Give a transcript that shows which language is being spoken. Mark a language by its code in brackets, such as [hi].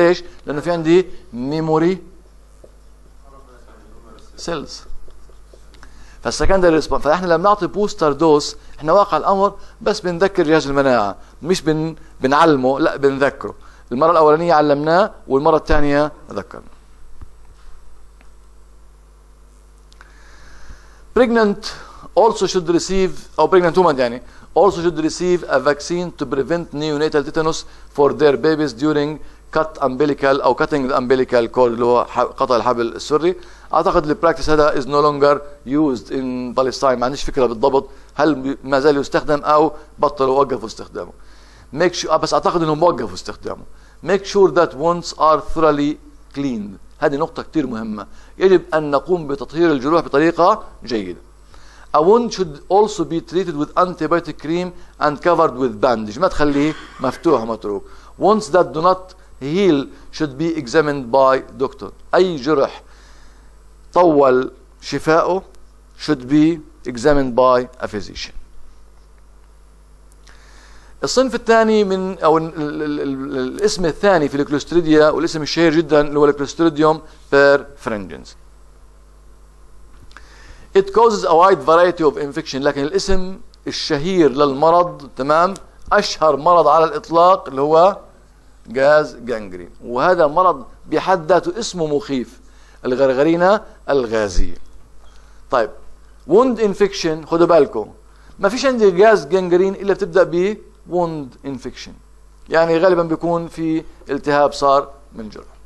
[ar] ليش؟ لانه في عندي memory cells. فالسكندري ريسبونس، فاحنا لما نعطي بوستر دوس احنا واقع الامر بس بنذكر جهاز المناعه، مش بنعلمه، لا بنذكره. المره الاولانيه علمناه والمره الثانيه ذكرنا. [en] pregnant also should receive، او pregnant woman يعني also should receive a vaccine to prevent neonatal tetanus for their babies during cut umbilical or cutting the umbilical cord [ar] اللي هو قطع الحبل السري. اعتقد البراكتس هذا [en] is no longer used in Palestine. [ar] ما عنديش فكره بالضبط هل ما زال يستخدم او بطلوا وقفوا استخدامه. [en] Make sure، [ar] بس اعتقد انهم وقفوا استخدامه. [en] Make sure that wounds are thoroughly cleaned. [ar] هذه نقطه كثير مهمه، يجب ان نقوم بتطهير الجروح بطريقه جيده. [en] A wound should also be treated with antibiotic cream and covered with bandage. [ar] ما تخليه مفتوح ومتروك. [en] Wounds that do not heal should be examined by doctor. [ar] أي جرح طول شفاؤه [en] should be examined by a physician. [ar] الصنف الثاني من أو الاسم الثاني في الكلوستريديا والاسم الشهير جدا هو الكلوستريديوم بيرفرينجنس. [en] It causes a wide variety of infection. [ar] لكن الاسم الشهير للمرض، تمام، أشهر مرض على الإطلاق اللي هو غاز غانغرين، وهذا مرض بحد ذاته اسمه مخيف، الغرغرينة الغازية. طيب wound infection، خدوا بالكم ما فيش عندي غاز غانغرين إلا بتبدأ ب wound infection، يعني غالبا بيكون في التهاب صار من جرح.